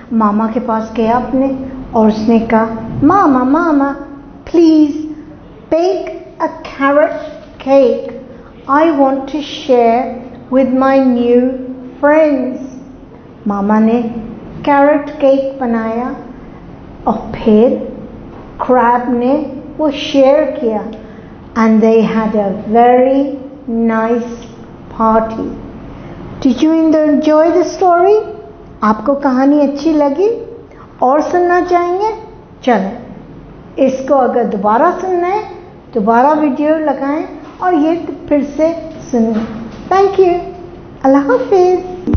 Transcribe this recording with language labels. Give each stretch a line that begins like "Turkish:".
Hindi: मामा के पास गया अपने और उसने कहा,
English: Mama mama please bake a carrot cake, I want to share with my new friends.
Hindi: मामा ने कैरेट केक बनाया और फिर क्रैब ने वो शेयर किया।
English: And they had a very nice party. Did you enjoy the story?
Hindi: आपको कहानी अच्छी लगी और सुनना चाहेंगे? चलो, इसको अगर दोबारा सुनना है, दोबारा वीडियो लगाएं और ये फिर से सुनें।
English: Thank you.
Hindi: Allah Hafiz.